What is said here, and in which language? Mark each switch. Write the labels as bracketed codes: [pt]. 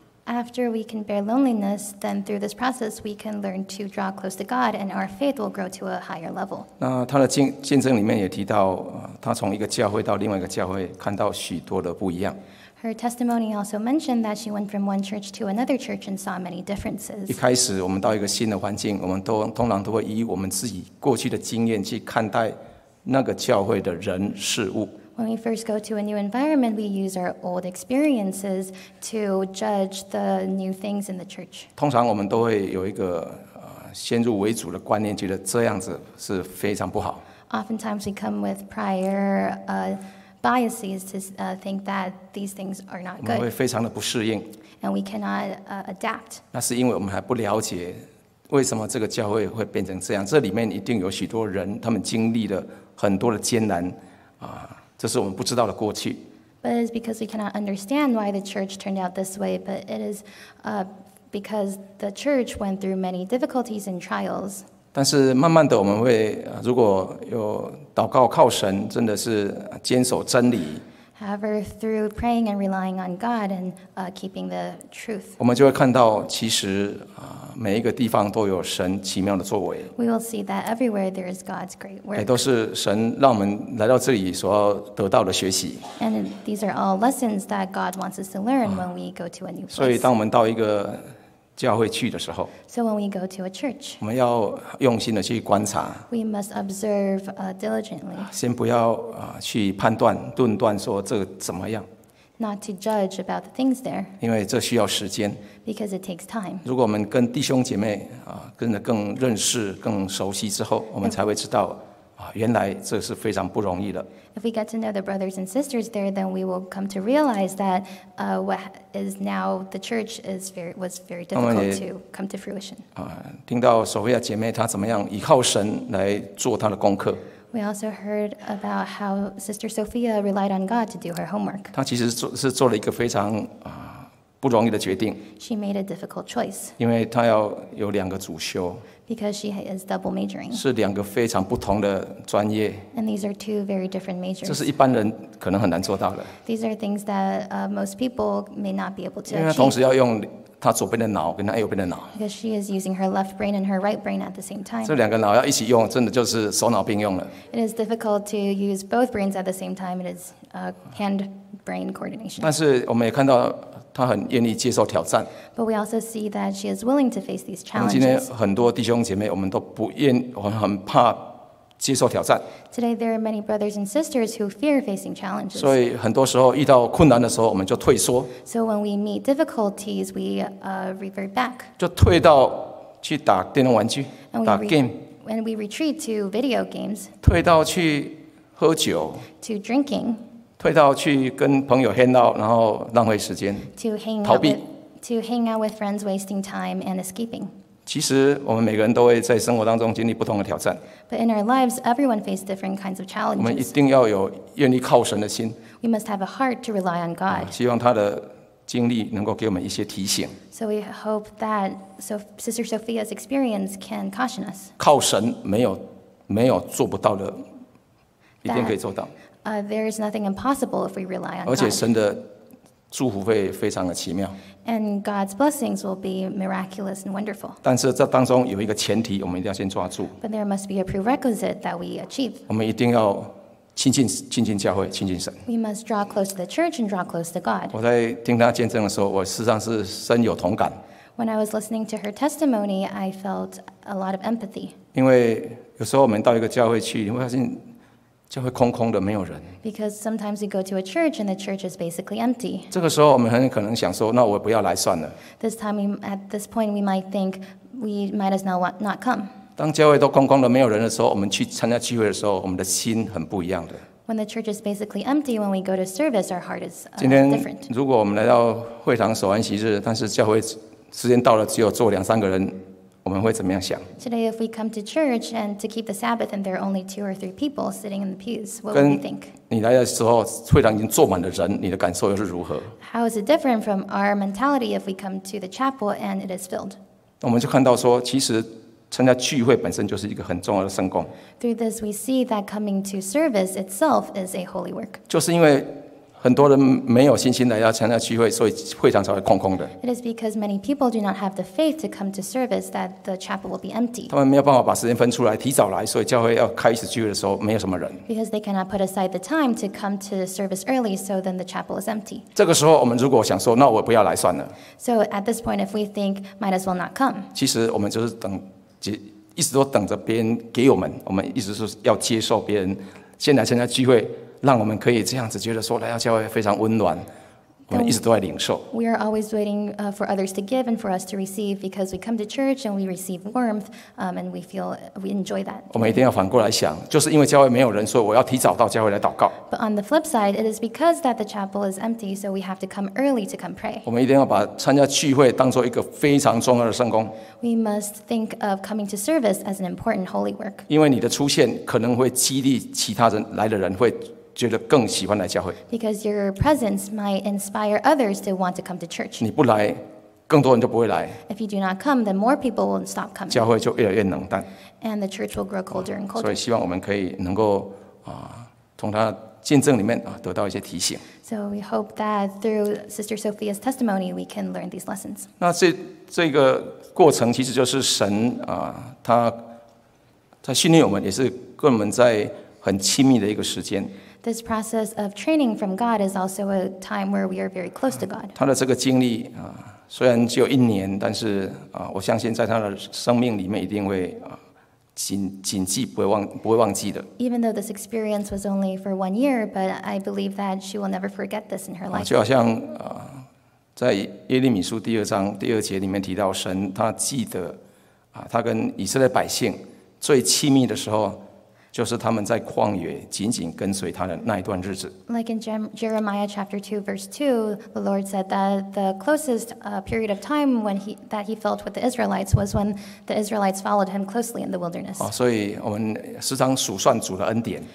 [en] after we can bear loneliness, then through this process, we can learn to draw close to God, and our faith will grow to a higher level. [zh] 那他的见证里面也提到，他从一个教会到另外一个教会，看到许多的不一样。 [en] Her testimony also mentioned that she went from one church to another church and saw many differences. [zh] 一开始我们到一个新的环境，我们都通常都会以我们自己过去的经验去看待那个教会的人事物。 [en] When we first go to a new environment, we use our old experiences to judge the new things in the church. [zh] 通常我们都会有一个先入为主的观念，觉得这样子是非常不好。 [en] Oftentimes we come with prior biases to think that these things are not good. [zh] 我们会非常的不适应。 [en] And we cannot adapt. [zh] 那是因为我们还不了解为什么这个教会会变成这样，这里面一定有许多人，他们经历了很多的艰难这是我们不知道的过去。 [en] But it's because we cannot understand why the church turned out this way, but it is because the church went through many difficulties and trials. [zh] 但是慢慢的我们会如果有祷告靠神，真的是坚守真理。 [en] However, through praying and relying on God and keeping the truth, [zh] 我们就会看到其实每一个地方都有神奇妙的作为。 [en] We will see that everywhere there is God's great work. [zh] 也都是神让我们来到这里所要得到的学习。 [en] And these are all lessons that God wants us to learn when we go to a new place. [zh] 所以当我们到一个教会去的时候， [en] So when we go to a church, [zh] 我们要用心的去观察。 [en] We must observe diligently. [zh] 先不要去判断、论断说这个怎么样。 [en] Not to judge about the things there. [zh] 因为这需要时间。 [en] Because it takes time. [zh] 如果我们跟弟兄姐妹跟着更认识、更熟悉之后，我们才会知道原来这是非常不容易的。 [en] If we get to know the brothers and sisters there, then we will come to realize that what is now the church is very, was very difficult to come to fruition. [zh] 听到索菲亚姐妹她怎么样依靠神来做她的功课。 [en] We also heard about how Sister Sophia relied on God to do her homework. [zh] 她其实是做了一个非常不容易的决定。 [en] She made a difficult choice. [zh] 因为她要有两个主修。 [en] Because she is double majoring. [zh] 是两个非常不同的专业。 [en] And these are two very different majors. [zh] 这是一般人可能很难做到的。 [en] These are things that most people may not be able to achieve. [zh] 因为她同时要用她左边的脑跟她右边的脑。 [en] Because she is using her left brain and her right brain at the same time. [zh] 这两个脑要一起用，真的就是手脑并用了。 [en] It is difficult to use both brains at the same time. It is hand brain coordination. [zh] 但是我们也看到他很愿意接受挑战。 [en] But we also see that she is willing to face these challenges. [zh] 今天很多弟兄姐妹，我们都不愿，我们很怕接受挑战。 [en] Today there are many brothers and sisters who fear facing challenges. [zh] 所以很多时候遇到困难的时候，我们就退缩。 [en] So when we meet difficulties, we revert back. [zh] 就退到去打电动玩具，打 game. [en] And we retreat to video games. [zh] 退到去喝酒。 [en] To drinking. [zh] 退到去跟朋友 [en] hang out， [zh] 然后浪费时间，逃避。 [en] To hang out with friends, wasting time and escaping. [zh] 其实我们每个人都会在生活当中经历不同的挑战。 [en] But in our lives, everyone faces different kinds of challenges. [zh] 我们一定要有愿意靠神的心。 [en] We must have a heart to rely on God. [zh] 希望他的经历能够给我们一些提醒。 [en] So we hope that Sister Sophia's experience can caution us. [zh] 靠神没有做不到的，一定可以做到。 [en] There is nothing impossible if we rely on God. [zh] 而且神的祝福会非常的奇妙。 [en] And God's blessings will be miraculous and wonderful. [zh] 但是这当中有一个前提，我们一定要先抓住。 [en] But there must be a prerequisite that we achieve. [zh] 我们一定要亲近教会，亲近神。 [en] We must draw close to the church and draw close to God. [zh] 我在听他见证的时候，我实际上是深有同感。 [en] When I was listening to her testimony, I felt a lot of empathy. [zh] 因为有时候我们到一个教会去，你会发现教会空空的，没有人。 [en] Because sometimes we go to a church and the church is basically empty. [zh] 这个时候我们很可能想说，那我不要来算了。 [en] This time, at this point, we might think we might as well not come. [zh] 当教会都空空的，没有人的时候，我们去参加聚会的时候，我们的心很不一样的。 [en] When the church is basically empty, when we go to service, our heart is different. [zh] 今天如果我们来到会堂守安息日，但是教会时间到了，只有坐两三个人。我们会怎么样想 [en] ？Today, if we come to church and to keep the Sabbath, and there are only two or three people sitting in the pews, what would we think? [zh] 你来的时候，会堂已经坐满了人，你的感受又是如何 [en] ？How is it different from our mentality if we come to the chapel and it is filled? [zh] 我们就看到说，其实参加聚会本身就是一个很重要的圣工。 [en] Through this, we see that coming to service itself is a holy work. [zh] 就是因为很多人没有信心来要参加聚会，所以会场才会空空的。 [en] It is because many people do not have the faith to come to service that the chapel will be empty. [zh] 他们没有办法把时间分出来，提早来，所以教会要开始聚会的时候没有什么人。 [en] Because they cannot put aside the time to come to service early, so then the chapel is empty. [zh] 这个时候，我们如果想说，那我不要来算了。 [en] So at this point, if we think might as well not come. [zh] 其实我们就是等，一直都等着别人给我们，我们一直是要接受别人先来参加聚会。让我们可以这样子觉得说来到教会非常温暖，我们一直都在领受。 [en] We are always waiting for others to give and for us to receive because we come to church and we receive warmth, and we feel we enjoy that. [zh] 我们一定要反过来想，就是因为教会没有人，所以我要提早到教会来祷告。 [en] But on the flip side, it is because that the chapel is empty, so we have to come early to come pray. [zh] 我们一定要把参加聚会当做一个非常重要的圣工。 [en] We must think of coming to service as an important holy work. [zh] 因为你的出现可能会激励其他人来的人会。觉得更喜欢来教会。 [en] Because your presence might inspire others to want to come to church. [zh] 你不来，更多人就不会来。 [en] If you do not come, then more people will stop coming. [zh] 教会就越来越冷淡。 [en] And the church will grow colder and colder. [zh] 所以希望我们可以能够从他见证里面得到一些提醒。 [en] So we hope that through Sister Sophia's testimony, we can learn these lessons. [zh] 那这个过程其实就是神他训练我们，也是跟我们在很亲密的一个时间。 [en] This process of training from God is also a time where we are very close to God. [zh] 他的这个经历虽然只有一年，但是我相信在他的生命里面一定会谨记，不会忘记的。 [en] Even though this experience was only for one year, but I believe that she will never forget this in her life. [zh] 就好像在耶利米书第二章第二节里面提到，神他记得他跟以色列百姓最亲密的时候。就是他们在旷野紧紧跟随他的那一段日子。 [en] Like in Jeremiah chapter 2 verse 2, the Lord said that the closest period of time when he felt with the Israelites was when the Israelites followed him closely in the wilderness. [zh] 所以我们时常数算主的恩典。